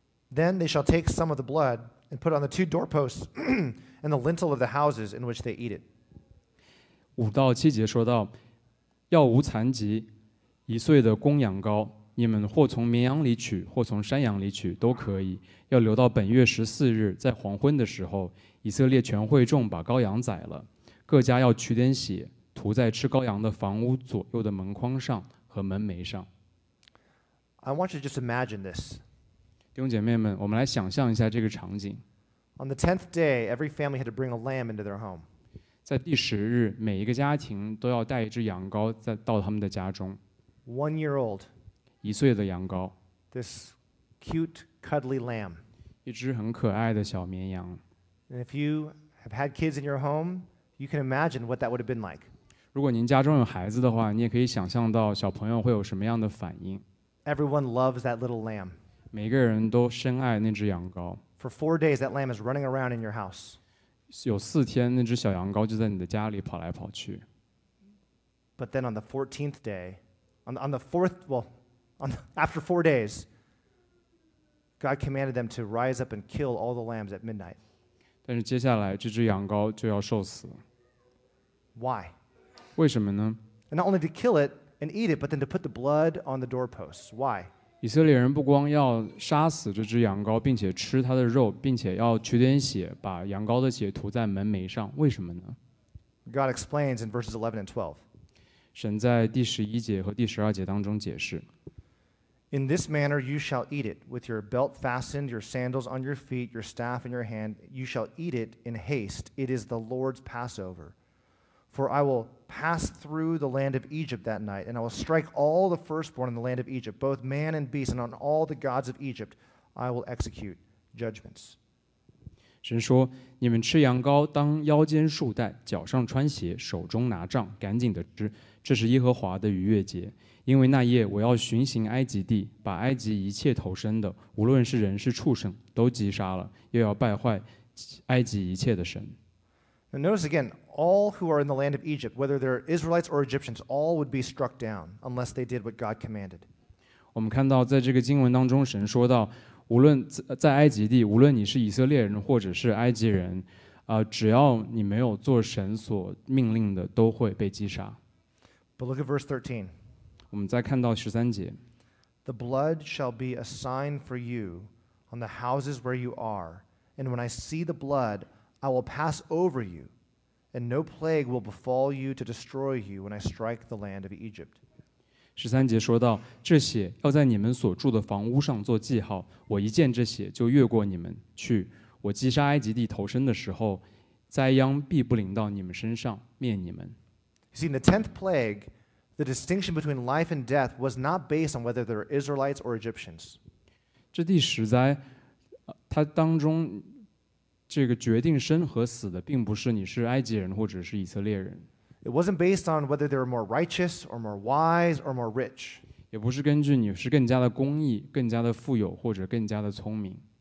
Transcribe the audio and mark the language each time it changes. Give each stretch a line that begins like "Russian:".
English: Then they shall take some of the blood and put it on the two doorposts and the lintel of the houses in which they eat it.
Chinese: 5-7 说到，要无残疾一岁的公羊羔，你们或从绵羊里取，或从山羊里取，都可以。要留到本月十四日，在黄昏的时候，以色列全会众把羔羊宰了，各家要取点血，涂在吃羔羊的房屋左右的门框上和门楣上。
English: I want you to just imagine this.
Chinese: 弟兄姐妹们，我们来想象一下这个场景。
English: On the tenth day, every family had to bring a lamb into their home.
Chinese: 在第十日，每一个家庭都要带一只羊羔在到他们的家中。
English: One year old.
Chinese: 一岁的羊羔
English: ，this cute cuddly lamb，
Chinese: 一只很可爱的小绵羊。
English: And if you have had kids in your home, you can imagine what that would have been like.
Chinese: 如果您家中有孩子的话，你也可以想象到小朋友会有什么样的反应。
English: Everyone loves that little lamb.
Chinese: 每个人都深爱那只羊羔。
English: For 4 days, that lamb is running around in your house.
Chinese: 有四天，那只小羊羔就在你的家里跑来跑去。
English: But then on the 14th day, after 4 days, God commanded them to rise up and kill all the lambs at midnight.
Chinese: 但是接下来这只羊羔就要受死。
English: Why?
Chinese: 为什么呢？
English: And not only to kill it and eat it, but then to put the blood on the doorposts. Why?
Chinese: 以色列人不光要杀死这只羊羔，并且吃它的肉，并且要取点血，把羊羔的血涂在门楣上。为什么呢？
English: God explains in verses 11 and 12.
Chinese: 神在第十一节和第十二节当中解释。
English: In this manner you shall eat it, with your belt fastened, your sandals on your feet, your staff in your hand. You shall eat it in haste. It is the Lord's Passover. For I will pass through the land of Egypt that night, and I will strike all the firstborn in the land of Egypt, both man and beast, and on all the gods of Egypt I will execute judgments.
Chinese: 神说，你们吃羊羔当腰间束带，脚上穿鞋，手中拿杖，赶紧的吃，这是耶和华的逾越节。因为那夜我要巡行埃及地，把埃及一切投生的，无论是人是畜生，都击杀了，又要败坏埃及一切的神。
English: Now notice again, all who are in the land of Egypt, whether they're Israelites or Egyptians, all would be struck down unless they did what God commanded.
Chinese: 我们看到在这个经文当中，神说到，无论在埃及地，无论你是以色列人或者是埃及人，只要你没有做神所命令的，都会被击杀。
English: But look at verse 13.
Chinese: 我们再看到十三节。
English: The blood shall be a sign for you on the houses where you are, and when I see the blood, I will pass over you, and no plague will befall you to destroy you when I strike the land of Egypt.
Chinese: 十三节说到，这血要在你们所住的房屋上做记号，我一见这血就越过你们去。我击杀埃及地投生的时候，灾殃必不临到你们身上，灭你们。
English: You see, in the tenth plague,The distinction between life and death was not based on whether they were Israelites or Egyptians.
Chinese: 这第十灾，它当中这个决定生和死的，并不是你是埃及人或者是以色列人。
English: It wasn't based on whether they were more righteous or more wise or more rich.
Chinese: 也不是根据你是更加的公义、更加的富有或者更加的聪明。